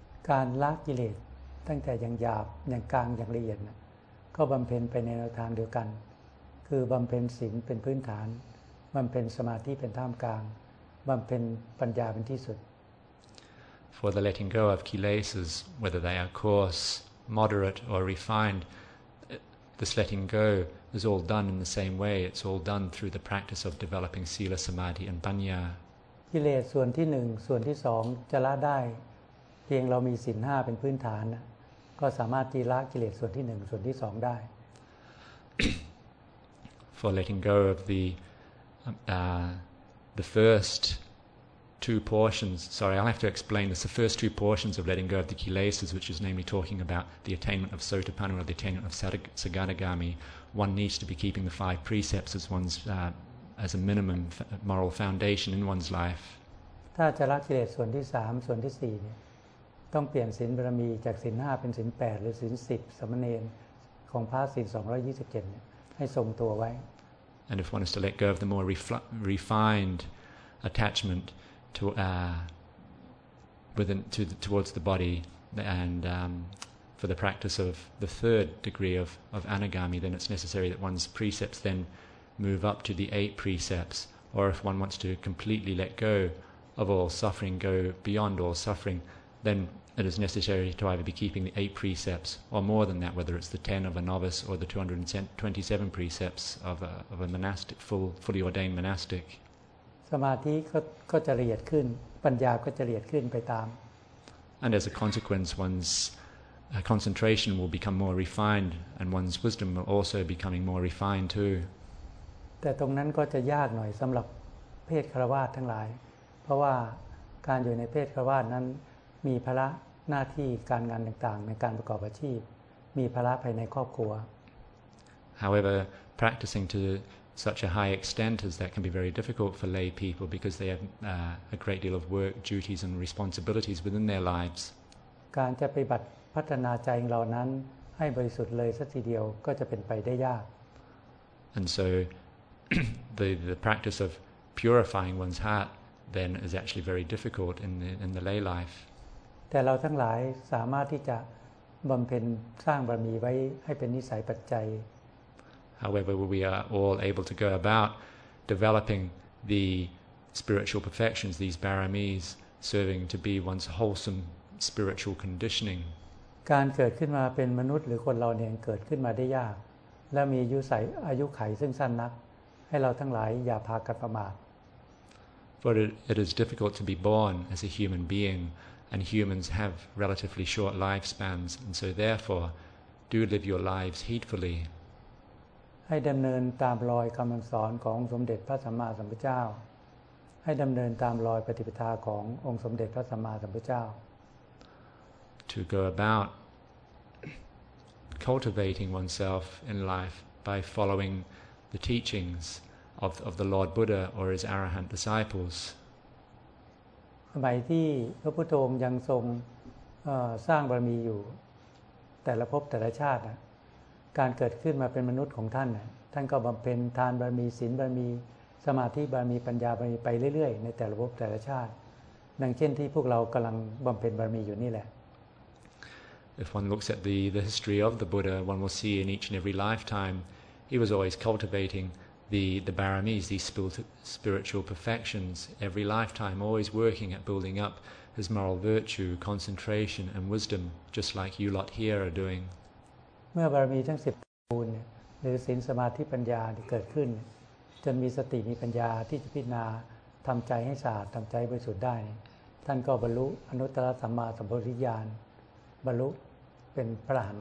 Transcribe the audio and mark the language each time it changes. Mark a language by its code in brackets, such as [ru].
[th] การละกิเลสตั้งแต่อย่างหยาบอย่างกลางอย่างละเอียดก็บำเพ็ญไปในแนวทางเดียวกันคือบำเพ็ญศีลเป็นพื้นฐานบำเพ็ญสมาธิเป็นท่ามกลางบำเพ็ญปัญญาเป็นที่สุด [en] For the letting go of kilesas, whether they are coarse, moderate or refined,This letting go is all done in the same way. It's all done through the practice of developing sila, samadhi, and panya. [th] กิเลสส่วนที่หนึ่งส่วนที่สองจะละได้เพียงเรามีศีลห้าเป็นพื้นฐานก็สามารถที่ละกิเลสส่วนที่หนึ่งส่วนที่สองได้ [en] For letting go of the first two portions. Sorry, I'll have to explain this. The first two portions of letting go of the kilesas, which is namely talking about the attainment of Sotapanna or the attainment of Sagadagami, one needs to be keeping the five precepts as one's as a minimum moral foundation in one's life. [th] ถ้าจะละกิเลสส่วนที่สามส่วนที่สี่เนี่ยต้องเปลี่ยนศีลบารมีจากศีลห้าเป็นศีลแปดหรือศีลสิบสมณเณรของพระศีล227เนี่ยให้ทรงตัวไว้ [en] And if one is to let go of the more refined attachmentTowards the body and for the practice of the third degree of anagami, then it's necessary that one's precepts then move up to the eight precepts. Or if one wants to completely let go of all suffering, go beyond all suffering, then it is necessary to either be keeping the eight precepts or more than that, whether it's the 10 of a novice or the 227 precepts of a monastic, fully ordained monastic. [th] สมาธิก็จะละเอียดขึ้นปัญญาก็จะละเอียดขึ้นไปตาม [en] And as a consequence one's concentration will become more refined and one's wisdom will also becoming more refined too [th] แต่ตรงนั้นก็จะยากหน่อยสำหรับเพศฆราวาสทั้งหลายเพราะว่าการอยู่ในเพศฆราวาสนั้นมีภาระหน้าที่การงานต่างๆในการประกอบอาชีพมีภาระภายในครอบครัว [en] However practicing toSuch a high extent as that can be very difficult for lay people because they have a great deal of work, duties, and responsibilities within their lives. [th] การจะปฏิบัติพัฒนาใจของเรานั้นให้บริสุทธิ์เลยสักทีเดียวก็จะเป็นไปได้ยาก [en] And so, the practice of purifying one's heart then is actually very difficult in the lay life. [th] แต่เราทั้งหลายสามารถที่จะบำเพ็ญสร้างบารมีไว้ให้เป็นนิสัยปัจจัย [en] However, we are all able to go about developing the spiritual perfections, these baramis, serving to be one's wholesome spiritual conditioning. [th] การเกิดขึ้นมาเป็นมนุษย์หรือคนเราเนี่ยเกิดขึ้นมาได้ยากและมีอายุไขซึ่งสั้นนักให้เราทั้งหลายอย่าพากันประมาท [en] For it is difficult to be born as a human being, and humans have relatively short lifespans, and so therefore, do live your lives heedfully. [th] ให้ดำเนินตามรอยคำสอนของสมเด็จพระสัมมาสัมพุทธเจ้าให้ดำเนินตามรอยปฏิปทาขององค์สมเด็จพระสัมมาสัมพุทธเจ้า [en] To go about cultivating oneself in life by following the teachings of the Lord Buddha or his Arahant disciples [th] สมัยที่พระพุทธองค์ยังทรงสร้างบารมีอยู่แต่ละภพแต่ละชาติการเกิดขึ้นมาเป็นมนุษย์ของท่านท่านก็บำเพ็ญทานบารมีศีลบารมี สมาธิบารมีปัญญาบารมีไปเรื่อยๆในแต่ละภพแต่ละชาติดังเช่นที่พวกเรากำลังบำเพ็ญบารมีอยู่นี่แหละ [en] If one looks at the history of the Buddha, one will see in each and every lifetime he was always cultivating the baramis, these spiritual perfections, every lifetime, always working at building up his moral virtue, concentration and wisdom, just like you lot here are doing. [th] เมื่อบารมีทั้ง10บูรณ์หรือศีลสมาธิปัญญาเกิดขึ้นจนมีสติมีปัญญาที่จะพิจารณาทำใจให้สะอาดทำใจให้บริสุทธิ์ได้ท่านก็บรรลุอนุตตรสัมมาสัมโพธิญาณบรรลุเป็นพระอรหันต